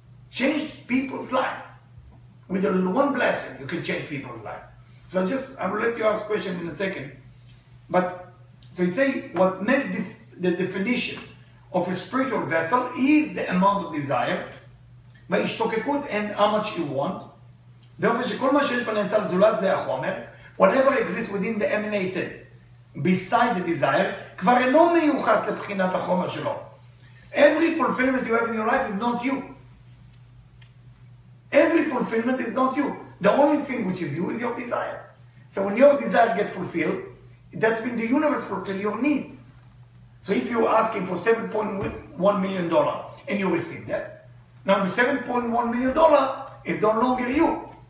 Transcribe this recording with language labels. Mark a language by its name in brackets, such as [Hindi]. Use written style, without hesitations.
[English] Change people's life. With one blessing, you can change people's life. So I will let you ask a question in a second. But, so you say, what made the definition of a spiritual vessel is the amount of desire, וישתוקקות, and how much you want. [Hebrew] באופן שכל מה שיש בנצל זולת זה החומר, whatever exists within the emanated, beside the desire, כבר אינו מיוחס לבחינת החומר שלו. [English] Every fulfillment you have in your life is not you. Every fulfillment is not you. The only thing which is you is your desire. So when your desire gets fulfilled, that's when the universe fulfills your need. So if you're asking for $7.1 million and you receive that, now the $7.1 million is no longer you.